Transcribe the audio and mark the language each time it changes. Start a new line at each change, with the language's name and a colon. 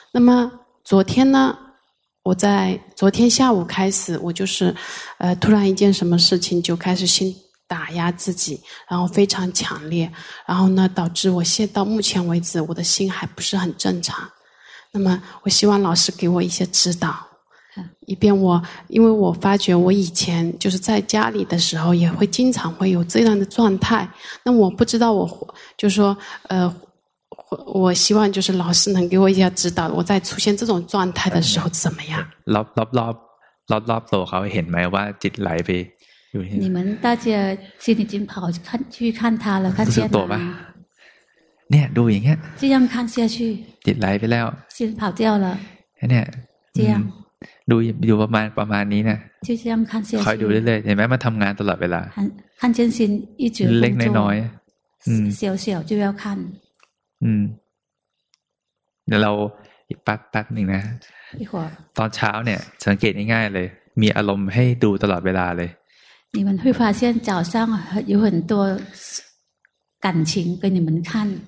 Chinese: 那么昨天呢？我在昨天下午开始我就是突然一件什么事情就开始心打压自己然后非常强烈然后呢导致我现到目前为止我的心还不是很正常那么我希望老师给我一些指导以便我因为我发觉我以前就是在家里的时候也会经常会有这样的状态那我不知道我就是说我希望就是老师能给我一些指导我在出现这种状态的时候怎么样
Thai: รอบตัวเขาเห็นไหมว่าจิตไหลไปอยู่
Chinese: 你们大家心里已经跑去看他了看见了
Thai: เนี่ยดูอย่างเงี้ย
Chinese: 这样看下去
Thai: จิตไหลไปแล้ว
Chinese: 心跑掉了
Thai: เนี่ย
Chinese: 这样
Thai: ดูประมาณนี้นะ
Chinese: 就这样看下去
Thai: คอยดูเรื่อยๆเห็นไหมมันทำงานตลอดเวลา
Chinese: 看见心一直
Thai: เล็กน้อย
Chinese: ๆ小小就要看
Thai: เดี๋ยวเราแป๊บนึงนะตอนเช้าเนี่ยสังเกตง่ายๆเลยมีอารมณ์ให้ดูตลอดเวลาเลย
Chinese: 你们会发现早上有很多感情给你们看